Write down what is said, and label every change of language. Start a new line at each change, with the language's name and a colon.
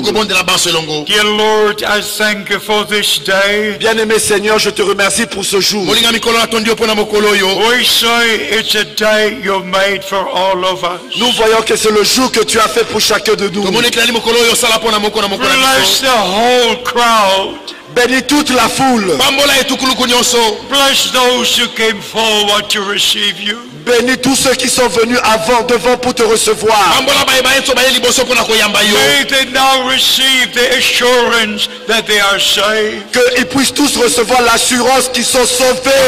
English: Dear Lord, I thank you for this day.
French: Bien-aimé Seigneur, je te remercie pour ce jour.
English: We say it's a day you made for all of us.
French: Nous voyons que c'est le jour que tu as fait pour chacun de nous.
English: Bless the whole crowd.
French: Bénis toute la foule.
English: Bless those who came forward to receive you.
French: Bénis tous ceux qui sont venus avant, devant pour te recevoir.
English: May they now receive the assurance that they are saved.
French: Que ils puissent tous recevoir l'assurance qu'ils sont sauvés.